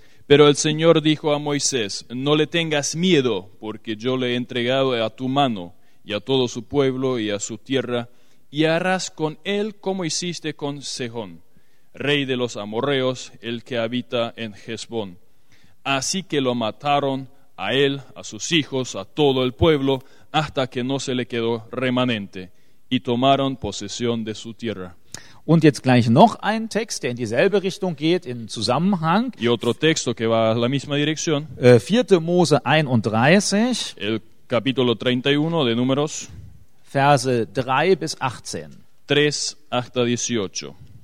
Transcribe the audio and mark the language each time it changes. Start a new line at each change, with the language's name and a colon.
Spanish: Pero el Señor dijo a Moisés, no le tengas miedo, porque yo le he entregado a tu mano, y a todo su pueblo y a su tierra, y harás con él como hiciste con Sejón, rey de los amorreos, el que habita en Hesbón. Así que lo mataron a él, a sus hijos, a todo el pueblo, hasta que no se le quedó remanente, y tomaron posesión de su tierra.
German: Und jetzt gleich noch ein Text, der in dieselbe Richtung geht, in Zusammenhang.
Spanish: Y otro texto que va a la misma dirección.
German: 4. Mose 31.
Spanish: El capítulo 31 de Números.
German: Verse 3 bis 18.
Spanish: 3 hasta 18.